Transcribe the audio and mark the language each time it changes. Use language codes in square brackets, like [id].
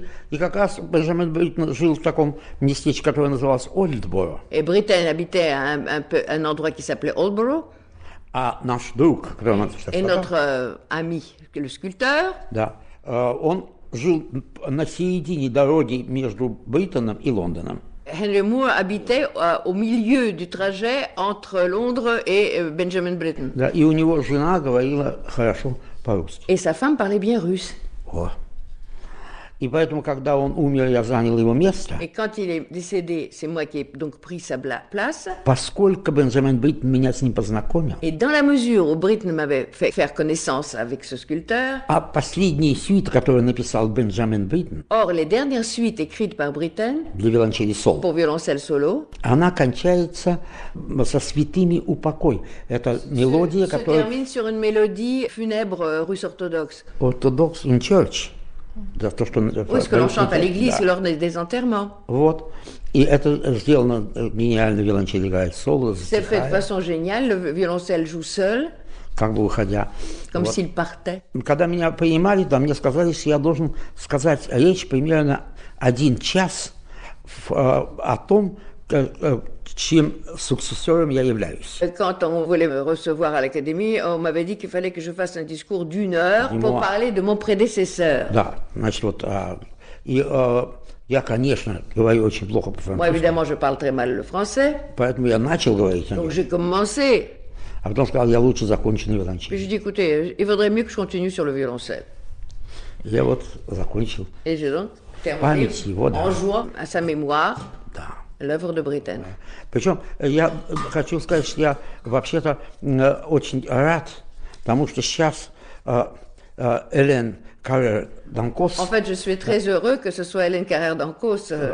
[ru] И как раз Бенджамин Бриттен жил в таком местечке, которое называлось Ольдборо. И Бриттен обитал в [fr] un endroit qui s'appelait [ru] Ольдборо. А наш друг, который нам сейчас сказал. И [fr] notre ami, le sculpteur. [ru] Да. Он жил на середине дороги между Бриттеном и Лондоном. [fr] Henry Moore habitait au milieu du trajet entre Londres et Бенджамин Бриттен. [ru] Да, и у него жена говорила хорошо по-русски. [fr] Et sa femme parlait bien russe. [ru] О. И поэтому, когда он умер, я занял его место. [fr] Et quand il est décédé, c'est moi qui ai donc pris sa place. [ru] Поскольку Бенджамин Бриттен меня с ним познакомил. [fr] Et dans la mesure où Britten m'avait fait faire connaissance avec ce sculpteur. [ru] А последние сюиты, которые написал Бенджамин Бриттен. [fr] Or les dernières suites écrites par Britten. [ru] Для виолончели соло. [fr] Pour violoncelle solo. [ru] Она кончается со святыми упокой. Это мелодия, которая. [fr] Se termine sur une mélodie funèbre russe orthodoxe. [en] Orthodox in church. [ru] То, что, [fr] oui, ce que l'on chante à l'église да. Lors des enterrements. [ru] Вот. И это сделано гениально, виолончель играет соло, затихает. [fr] C'est fait de façon géniale, le violoncelle joue seul. [ru] Как бы уходя. [fr] Comme вот. S'il partait. [ru] Когда меня принимали, да, мне сказали, что я должен сказать речь примерно один час о том, чем successeur я являюсь. [fr] Quand on voulait me recevoir à l'académie, on m'avait dit qu'il fallait que je fasse un discours d'une heure pour parler de mon prédécesseur. [ru] Да, значит, вот, я, конечно, говорю очень плохо по-французски. [fr] Moi, évidemment, je parle très mal le français. [ru] Поэтому я начал говорить. [fr] Donc, j'ai commencé. [ru] А потом сказал, я лучше закончу на виолончели. [fr] Je dis, écoutez, il vaudrait mieux que je continue sur le violoncelle. [ru] Я вот закончил. [fr] Et j'ai donc terminé [ru] его, да. [fr] En jouant à sa mémoire. [ru] Да. [fr] L'œuvre de Britten. [ru] Причем я хочу сказать, что я вообще-то очень рад, потому что сейчас Элен Каррер Данкос. [fr] En fait, je suis très heureux que ce soit Элен Каррер Данкос.